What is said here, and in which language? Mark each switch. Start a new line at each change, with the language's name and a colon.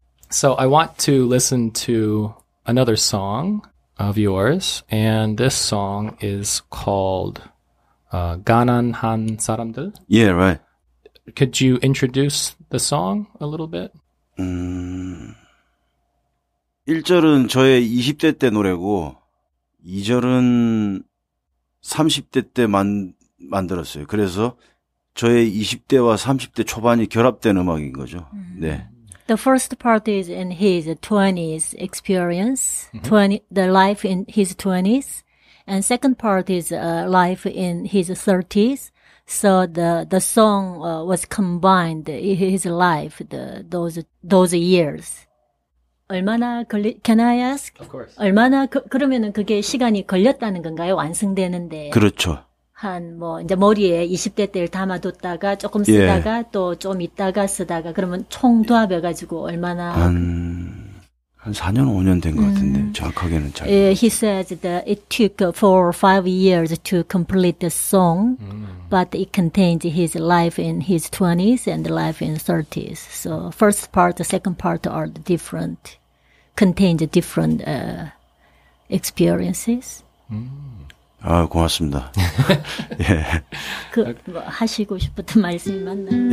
English: So I want to listen to another song of yours, and this song is called 가난한 사람들. Yeah, right. Could you introduce the song a little bit?
Korean: 1절은 저의 20대 때 노래고 2절은 30대 때 만들었어요. 그래서 저의 20대와 30대 초반이 결합된 음악인 거죠. 네.
English: The first part is in his 20s experience, the life in his 20s. And second part is life in his 30s. So the song was combined his life, those years.
Korean: 얼마나 걸리,
English: can I ask? Of course.
Korean: 얼마나 그러면은 그게 시간이 걸렸다는 건가요? 완성되는데. 그렇죠. 한 뭐 이제 머리에 20대 때를 담아뒀다가 조금 쓰다가 예. 또 좀 있다가 쓰다가 그러면 총 도합해가지고 얼마나 한 4년 5년 된 것 같은데 정확하게는 잘.
English: He says that it took 4 or 5 years to complete the song, but it contains his life in his 20s and life in 30s. So first part, the second part are the different, contains different experiences.
Korean: 아, 고맙습니다. 예. 그, 뭐, 하시고 싶었던 말씀이 맞나요?